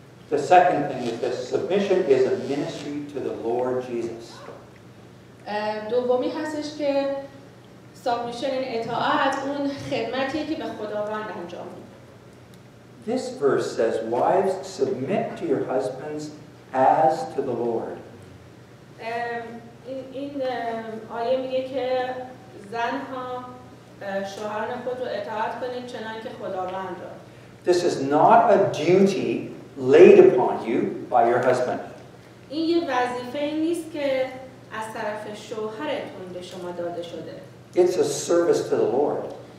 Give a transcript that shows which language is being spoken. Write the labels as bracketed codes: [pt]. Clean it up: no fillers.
[en] The second thing is that submission is a ministry to the Lord Jesus. [fa] دومی هستش که سابمیشن این اطاعت اون خدمتیه که به خداوند انجام میده. [en] This verse says, wives, submit to your husbands as to the Lord. [fa] این آیه میگه که زنها شوهران خود رو اطاعت کنید چنان که خداوند را. [en] This is not a duty laid upon you by your husband. [fa] این یه وظیفه نیست که از طرف شوهرتون به شما داده شده. [en] It's a service to the Lord.